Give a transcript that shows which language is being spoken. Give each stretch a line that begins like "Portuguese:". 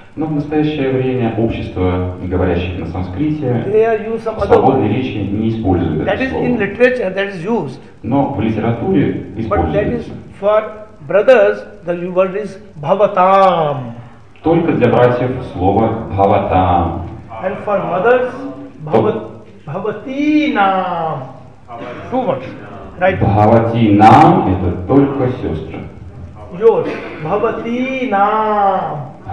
Russian: Но в настоящее время общество говорящих на санскрите свободной речи не используют это слово.
English: That is in literature, that is used.
Russian: Но в литературе используется.
English: But that is for brothers, the word is Bhavatam.
Russian: Только для братьев слово «бхаватам».
English: And for mothers, «бхаватинам». Two words. Right.
Russian: «Бхаватинам» – это только сестры.
English: Yours. «Бхаватинам».